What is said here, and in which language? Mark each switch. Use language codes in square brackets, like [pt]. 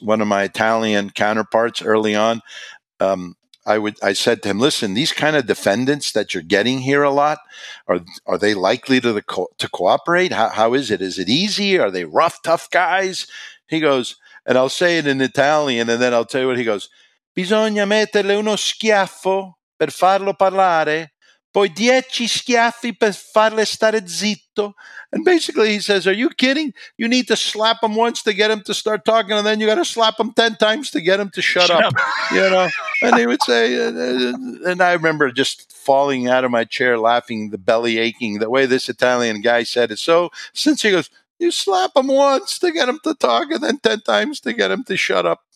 [en] One of my Italian counterparts early on, I said to him, listen, these kind of defendants that you're getting here a lot, are they likely to cooperate? How is it? Is it easy? Are they rough, tough guys? He goes, and I'll say it in Italian, and then I'll tell you what he goes. [it] Bisogna metterle uno schiaffo per farlo parlare, poi 10 schiaffi per farle stare zitto. [en] And basically he says, are you kidding? You need to slap him once to get him to start talking, and then you got to slap him 10 times to get him to shut up. You know. And he would say, and I remember just falling out of my chair laughing, the belly aching, the way this Italian guy said it. So since he goes, you slap him once to get him to talk, and then 10 times to get him to shut up.